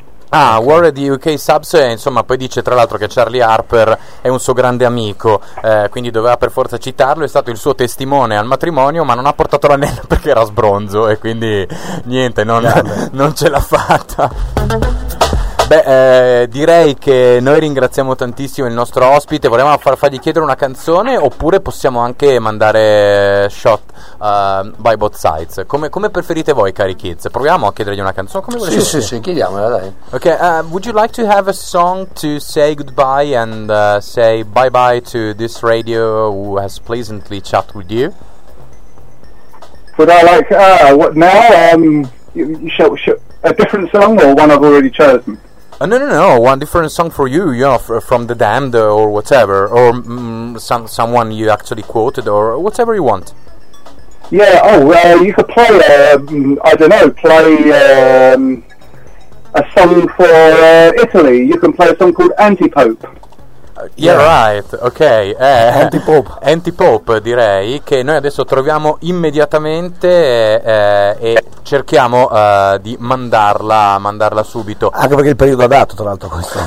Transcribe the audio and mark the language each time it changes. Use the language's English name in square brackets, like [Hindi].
[Italian] Ah, Warhead di UK Subs, insomma, poi dice tra l'altro che Charlie Harper è un suo grande amico, quindi doveva per forza citarlo, è stato il suo testimone al matrimonio, ma non ha portato l'anello perché era sbronzo e quindi niente, non ce l'ha fatta. Beh, direi che noi ringraziamo tantissimo il nostro ospite, volevamo fargli chiedere una canzone oppure possiamo anche mandare Shot by Both Sides. Come preferite voi, cari kids? Proviamo a chiedergli una canzone, come volete? Sì, chiediamola, dai. [English] Ok, would you like to have a song to say goodbye and say bye-bye to this radio who has pleasantly chat with you? Would I like, a different song or one I've already chosen? No, one different song for you, you know, from The Damned or whatever, or someone you actually quoted, or whatever you want. Yeah, you could play, a song for Italy. You can play a song called Antipope. Yeah, right, ok. Antipope. [Italian] Antipope, direi, che noi adesso troviamo immediatamente e cerchiamo di mandarla subito. Anche perché è il periodo adatto, tra l'altro, questo.